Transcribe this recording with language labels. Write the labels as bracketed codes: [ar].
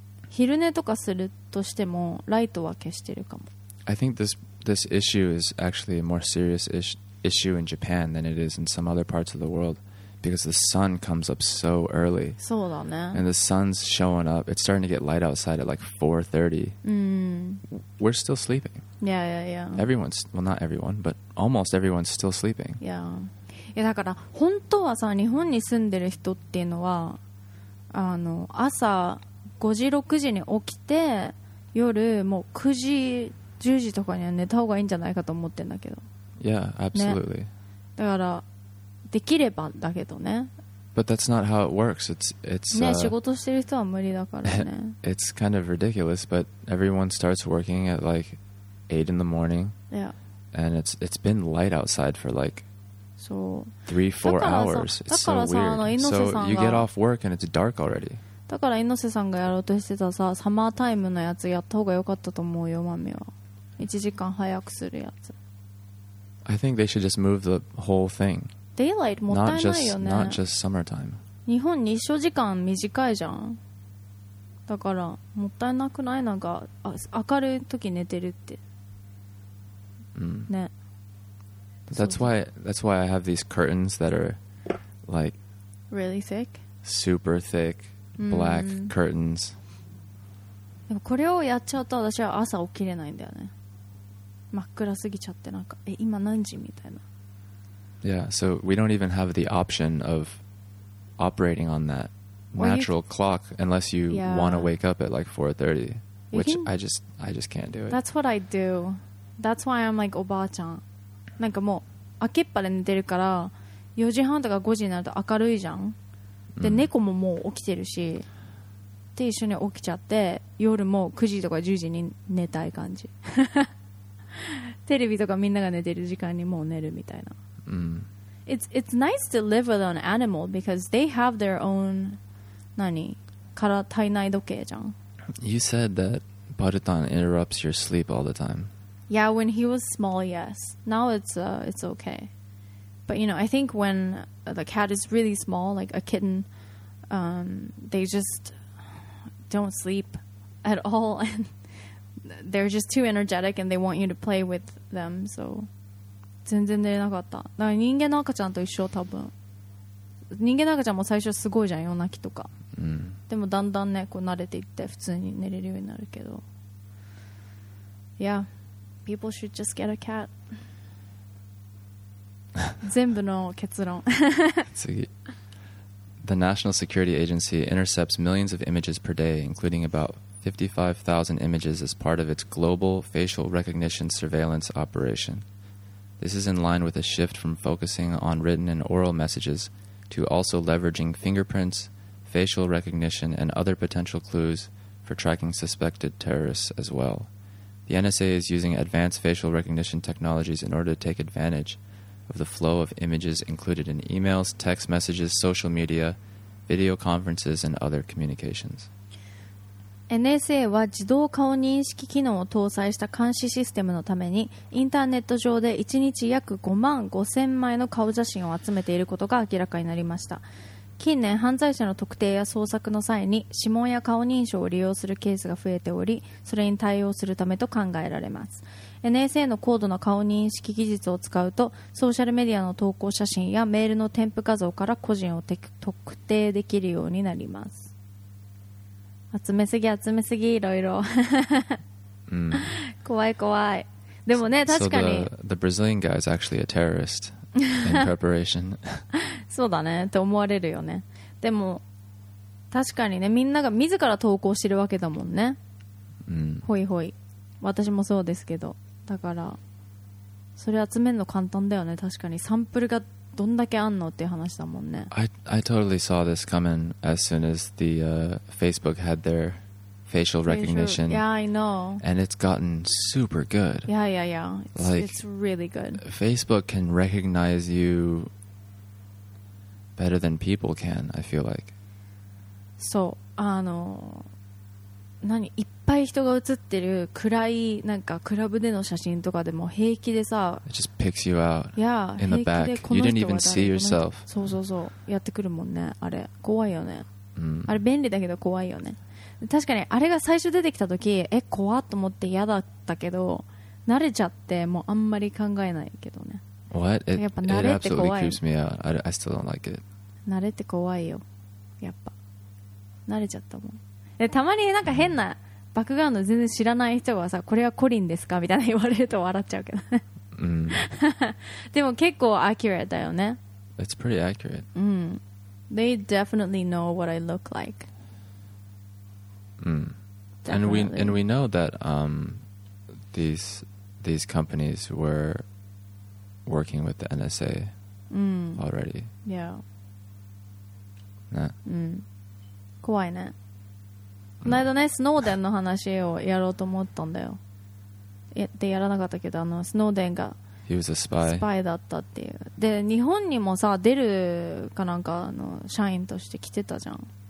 [ja] 昼寝とかするとしてもライトは消してるかも。 [en] I think this issue is actually a more serious issue in Japan than it is in some other parts of the world because the sun comes up so early. [ja] そうだね。 [en] And the sun's showing up. It's starting to get light outside at like 4:30. We're still sleeping. Yeah, yeah, yeah. Everyone's, well, not everyone, but almost everyone's still sleeping. Yeah. [ja] いやだから本当はさ日本に住んでる人っていうのはあの朝5時6時に起きて夜もう9時10時とかには寝た方がいいんじゃないかと思ってんだけど [en] Yeah, absolutely、 [ja] ね、だからできればだけどね [en] But that's not how it works it's、 [ja] ね、仕事してる人は無理だからね [en] It's kind of ridiculous but everyone starts working at like 8 in the morning、 yeah. and it's been light outside for like [ja] そう [en] 3、4 hours. It's so weird. So you get off work and it's dark already. [ja] だから猪瀬さんがやろうとしてたさ、サマータイムのやつやった方が良かったと思うよ、マミは。 1時間早くするやつ。 [en] I think they should just move the whole thing. [ja] Daylight もったいないよね。 [en] Not just summertime. [ja] 日本日照時間短いじゃん。だからもったいなくない？なんか明るい時寝てるって。ね。 [en] That's why I have these curtains that are like really thick, super thick black curtains. [ja] でもこれをやっちゃうと私は朝起きれないんだよね。真っ暗すぎちゃってなんか今何時みたいな。 [en] Yeah, so we don't even have the option of operating on that natural clock unless you want to wake up at like 4:30, which I just can't do it. That's what I do. That's why I'm like obachan. [ja] なんかもう開けっぱで寝てるから4時半とか5時になると明るいじゃん。で、猫ももう起きてるし、で一緒に起きちゃって夜も9時とか10時に寝たい感じ。テレビとかみんなが寝てる時間にもう寝るみたいな。 [en] It's nice to live with an animal because they have their own [ja] 何から体内時計じゃん。 [en] You said that Barutan interrupts your sleep all the time. Yeah, when he was small, yes. Now it's okay. But, you know, I think when the cat is really small, like a kitten, they just don't sleep at all. And they're just too energetic and they want you to play with them. [ja] So, 全然寝れなかった。だから人間の赤ちゃんと一緒、多分。人間の赤ちゃんも最初すごいじゃん、夜泣きとか。でもだんだんね、こう慣れていって普通に寝れるようになるけど。 [en] Yeah. People should just get a cat. [ja] 全部の結論。 [en] 次。The National Security Agency intercepts millions of images per day, including about 55,000 images as part of its global facial recognition surveillance operation. This is in line with a shift from focusing on written and oral messages to also leveraging fingerprints, facial recognition, and other potential clues for tracking suspected terrorists as well. The NSA is using advanced facial recognition technologies in order to take advantage of the flow of images included in emails, text messages, social media, video conferences, and other communications. [ja] NSA は自動顔認識機能を搭載した監視システムのために、インターネット上で1日約5万5000枚の顔写真を集めていることが明らかになりました。近年犯罪者の特定や捜索の際に指紋や顔認証を利用するケースが増えておりそれに対応するためと考えられます NSA の高度な顔認識技術を使うとソーシャルメディアの投稿写真やメールの添付画像から個人を特定できるようになります集めすぎ集めすぎいろいろ怖い怖いでもね確かに [en] The Brazilian guy is actually a terroristIn preparation. [ja] そうだねって思われるよね。でも確かにね、みんなが自ら投稿してるわけだもんね。ほいほい。私もそうですけど、だからそれ集めるの簡単だよね。確かにサンプルがどんだけあんのっていう話だもんね。 [en] I totally saw this coming as soon as the、Facebook had their facial recognition. Yeah, I know. And it's gotten super good. Yeah, yeah, yeah. It's really good. Facebook can recognize you better than people can, I feel like. [ja] そう、あの、何、いっぱい人が写ってる暗いなんかクラブでの写真とかでも平気でさ、 [en] It just picks you out in the back. You didn't even see yourself. [ja] そうそうそう、やってくるもんね、あれ。怖いよね。あれ便利だけど怖いよね。確かにあれが最初出てきた時、え、怖っと思って嫌だったけど、慣れちゃってもうあんまり考えないけどね。 [en] What? [ja] やっぱ慣れて怖い。 [en] It absolutely creeps me out. I still don't like it. [ja] 慣れて怖いよ。やっぱ慣れちゃったもん。でたまになんか変なバックグラウンド全然知らない人がさ、これはコリンですかみたいな言われると笑っちゃうけどね。でも結構 accurate だよね。 [en] It's pretty accurate. They definitely know what I look like. And we know that、these companies were working with the NSA、already. Yeah. [ja] 怖いね。この間ね、スノーデンの話をやろうと思ったんだよ。でやらなかったけど、あのスノーデンが [en] He was a spy. [ja] スパイだったっていう。で日本にもさ出るかなんかの社員として来てたじゃん。